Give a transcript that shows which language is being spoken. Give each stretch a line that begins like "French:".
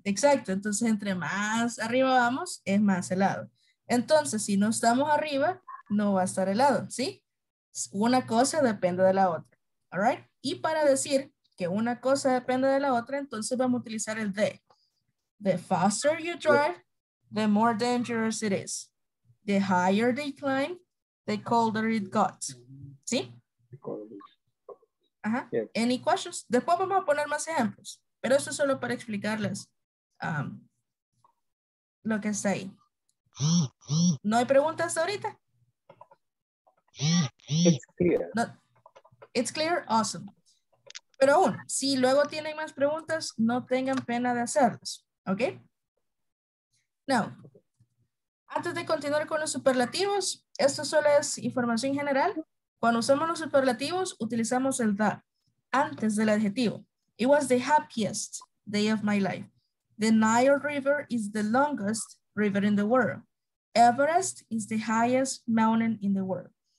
Spanish: Exacto, entonces entre más arriba vamos, es más helado. Entonces, si no estamos arriba, no va a estar helado, ¿sí? Una cosa depende de la otra.
English: All right?
Spanish: Y para decir que una cosa depende de la otra, entonces vamos a utilizar el de.
English: The faster you drive, the more dangerous it is. The higher they climb, the colder it got.
Spanish: ¿Sí? Ajá.
English: Any questions?
Spanish: Después vamos a poner más ejemplos, pero eso es solo para explicarles lo que está ahí. ¿No hay preguntas ahorita?
English: It's clear. It's clear, awesome.
Spanish: Pero aún, si luego tienen más preguntas, no tengan pena de hacerlas, ¿ok? Now, antes de continuar con los superlativos, esto solo es información general. Cuando usamos los superlativos, utilizamos el that antes del adjetivo.
English: It was the happiest day of my life. The Nile River is the longest river in the world. Everest is the highest mountain in the world.